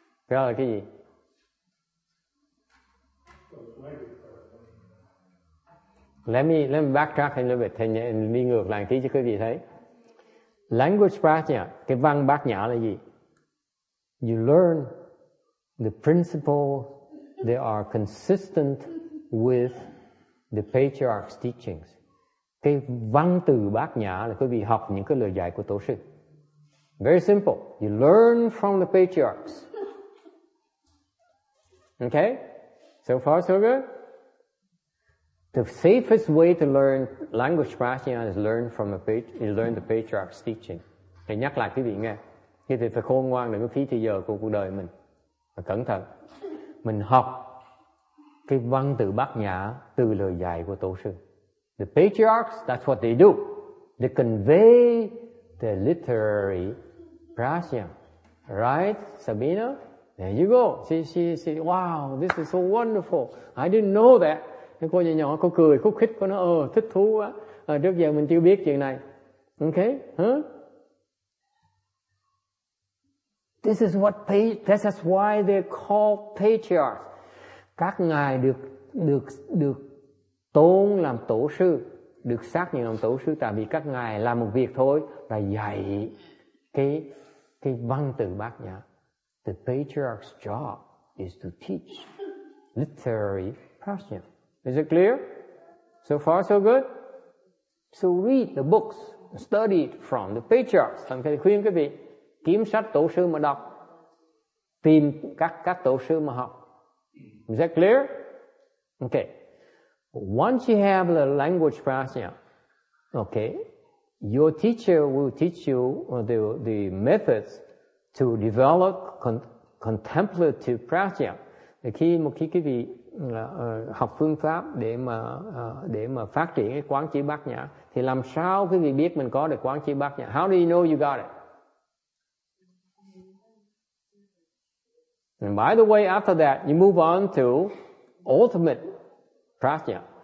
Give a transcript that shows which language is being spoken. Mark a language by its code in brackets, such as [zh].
[vi] Đó là cái gì? [en] Let me backtrack a little bit. [vi] Thầy đi ngược lại tí cho quý vị thấy. Language prajna, cái văn bát nhã là gì? [en] You learn the principles that are consistent with the patriarch's teachings. [vi] Cái văn từ bát nhã là quý vị học những cái lời dạy của tổ sư. [en] Very simple. You learn from the patriarchs. Okay? So far, so good? The safest way to learn language prajna is learn from the patriarch's teaching. [vi] Thầy nhắc lại quý vị nghe. Thì thầy phải khôn ngoan, đừng có phí thời giờ của cuộc đời mình. Và cẩn thận. Mình học cái văn từ bát nhã từ lời dạy của tổ sư. [en] The patriarchs, that's what they do. They convey the literary prajna. Right, Sabina? There you go. She, wow, this is so wonderful. I didn't know that. [vi] Cô nhỏ, cô cười, khúc khích, cô nói, thích thú quá. Trước giờ mình chưa biết chuyện này. Okay, huh? [en] This is what that's why they're called patriarchs. [vi] Các ngài được tôn làm tổ sư, được xác nhận làm tổ sư tại vì các ngài làm một việc thôi là dạy cái văn từ Bát Nhã. [en] The patriarch's job is to teach literary prajna. Is it clear? So far so good. So read the books studied from the patriarchs. [vi] Thành thầy khuyên quý vị kiếm sách tổ sư mà đọc, tìm các tổ sư mà học. [en] Is that clear? Okay. Once you have the language prajna, okay, your teacher will teach you the methods to develop contemplative prajna. [vi] Khi một khi quý vị học phương pháp để mà phát triển cái quán chiếu Bát Nhã, thì làm sao quý vị biết mình có được quán chiếu Bát Nhã? [en] How do you know you got it? And by the way, after that, you move on to ultimate prajna.